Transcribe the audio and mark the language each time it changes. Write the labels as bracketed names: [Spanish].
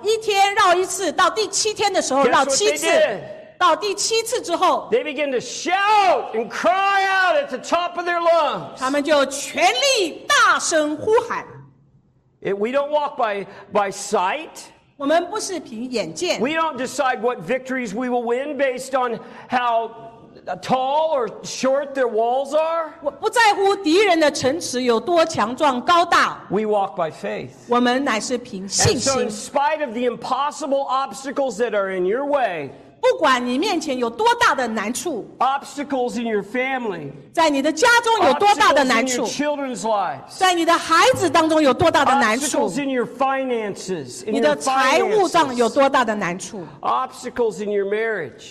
[Chinese] 一天绕一次，到第七天的时候绕七次。到第七次之后, [English] they begin to shout and cry out at the top of their lungs. [Chinese] 他们就全力大声呼喊。 [English] We don't walk by sight. We don't decide what victories we will win based on how tall or short their walls are. [Chinese] 不在乎敌人的城池有多强壮高大。 [English] We walk by faith. [Chinese] 我们乃是凭信心。 [English] And so in spite of the impossible obstacles that are in your way, [Chinese] 不管你面前有多大的难处, [English] obstacles in your family, [Chinese] 在你的家中有多大的难处, [English] obstacles in your children's lives, [Chinese] 在你的孩子当中有多大的难处, [English] obstacles in your finances, [Chinese] 你的财务上有多大的难处, [English] obstacles in your marriage,